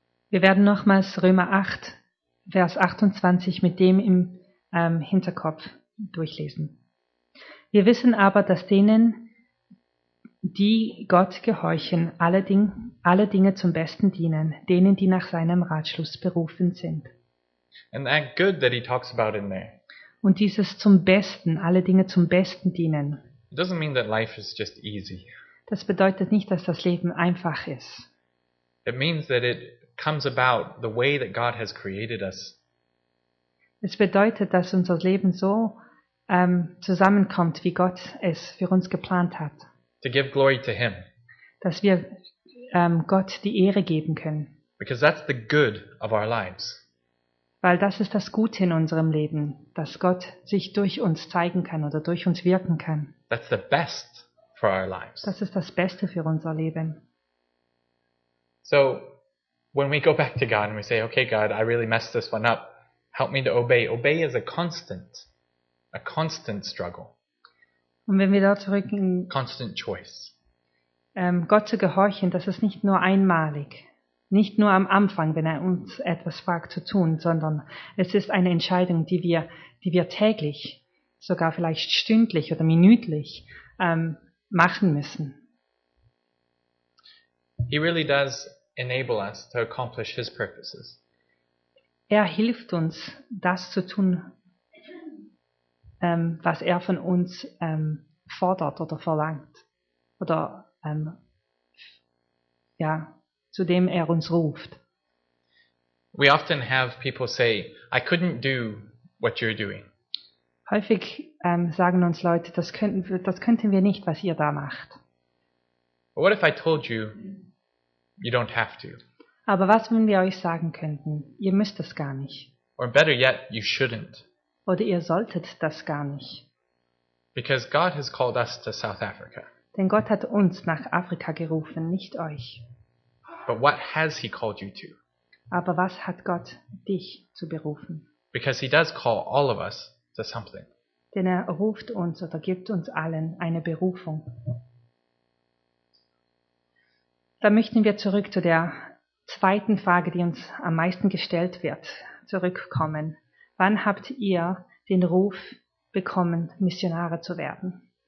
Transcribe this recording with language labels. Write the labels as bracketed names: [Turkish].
[German] Wir werden nochmals Römer 8, Vers 28 mit dem im Hinterkopf durchlesen. Wir wissen aber, dass denen, die Gott gehorchen, alle Dinge zum Besten dienen, denen, die nach seinem Ratschluss berufen sind. [English] And that good that he talks about in there. [German] Und dieses zum Besten, alle Dinge zum Besten dienen. [English] It doesn't mean that life is just easy. [German] Das bedeutet nicht, dass das Leben einfach ist. [English] It means that it comes about the way that God has created us. [German] Es bedeutet, dass unser Leben so zusammenkommt, wie Gott es für uns geplant hat. [English] To give glory to him. [German] Dass wir Gott die Ehre geben können. [English] Because that's the good of our lives. [German] Weil das ist das Gute in unserem Leben, dass Gott sich durch uns zeigen kann oder durch uns wirken kann. [English] That's the best for our lives. [German] Das ist das Beste für unser Leben. [English] So, when we go back to God and we say, okay, God, I really messed this one up. Help me to obey. Obey is a constant struggle. [German] Und wenn wir da zurückgehen, [English] constant choice. [German] Gott zu gehorchen, das ist nicht nur einmalig. Nicht nur am Anfang, wenn er uns etwas fragt zu tun, sondern es ist eine Entscheidung, die wir täglich, sogar vielleicht stündlich oder minütlich machen müssen. [English] He really does enable us to accomplish his purposes. [German] Er hilft uns, das zu tun, was er von uns fordert oder verlangt. Oder ja, zu dem er uns ruft. [English] We often have people say, I couldn't do what you're doing. [German] Häufig sagen uns Leute, das könnten wir nicht, was ihr da macht. [English] But what if I told you, you don't have to? [German] Aber was, wenn wir euch sagen könnten, ihr müsst das gar nicht? [English] Or better yet, you shouldn't. [German] Oder ihr solltet das gar nicht. [English] Because God has called us to South Africa. [German] Denn Gott hat uns nach Afrika gerufen, nicht euch. [English] But what has he called you to? [German] Aber was hat Gott dich zu berufen? [English] Because he does call all of us to something. [German] Denn er ruft uns oder gibt uns allen eine Berufung. Da möchten wir zurück zu der zweiten Frage, die uns am meisten gestellt wird, zurückkommen. Wann habt ihr den Ruf bekommen, Missionare zu werden?